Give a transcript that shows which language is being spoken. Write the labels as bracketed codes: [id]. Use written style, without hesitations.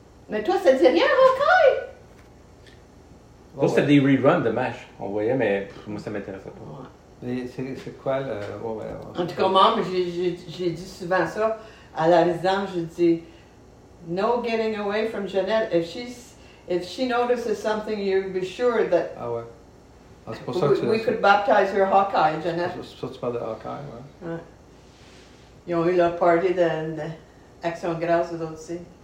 [fr] Mais toi, ça dit rien, Hawkeye! Oh, ouais. C'était des reruns de MASH, on voyait, mais moi, ça m'intéressait pas. Ouais. C'est quoi le. Ouais. En tout cas, moi, j'ai dit souvent ça à la résidence, je dis: [en] no getting away from Jeanette. If she notices something, you be sure that. [fr] Ah ouais. C'est pour ça que [en] we could baptize her Hawkeye, Jeanette. [fr] C'est pour ça que tu parles de Hawkeye, ouais. Ouais. Ils ont eu leur party d'Action Grâce, eux autres aussi.